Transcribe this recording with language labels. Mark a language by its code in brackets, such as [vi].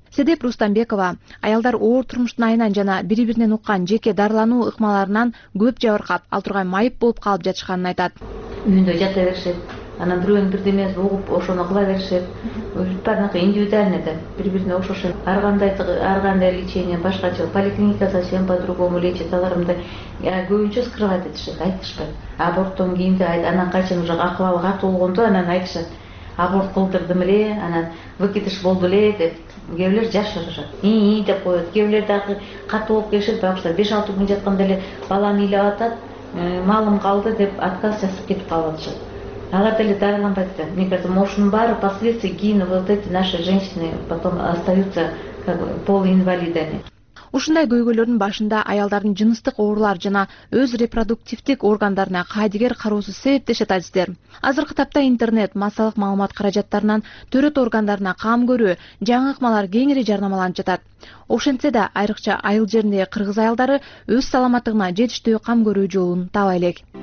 [ky] Седеп Рустамбекова аялдар оор турмуштун айынан жана бири биринен уккан жеке дарылануу ыкмаларынан көп жабыркап, ал тургай майып болуп калып жатышканын айтат. Үйүндө жата беришет, анан бирөөнүн бирдемеси угуп ошону кыла беришет. Баардыгы индивидуально да бири бирине окшош. Ар кандай лечение башкача, поликлиника [ru] совсем по-другому лечит. [ky] Алар мындай көбүнчө скрывать этишет, айтышпайт. Аборттон кийин да анан качан уже акыбалы катуу болгондо анан айтышат, аборт кылдырдым эле, анан выкидыш болду эле деп кээбирлер жашырышат, ии деп коет. Кээбирлер дагы катуу болуп келишет, багыштар 5-6 күн жатканда эле баланы ыйлап атат, малым калды деп отказ жасап кетип калып атышат. Алар деле дарыланбайт да. [ru] Мне кажется, [ky] ошонун баары [ru] последствия кийин вот эти наши женщины потом остаются как бы полуинвалидами. [ky] Ушундай көйгөйлөрдүн башында аялдардын жыныстык оорулар жана өз репродуктивдик органдарына кайдыгер кароосу себеп дешет адистер. Азыркы тапта интернет, массалык маалымат каражаттарынан төрөт органдарына кам көрүү, жаңы ыкмалар кеңири жарнамаланып жатат. Ошентсе да айрыкча айыл жериндеги кыргыз аялдары өз саламаттыгына жетиштүү кам көрүү жолун таба элек.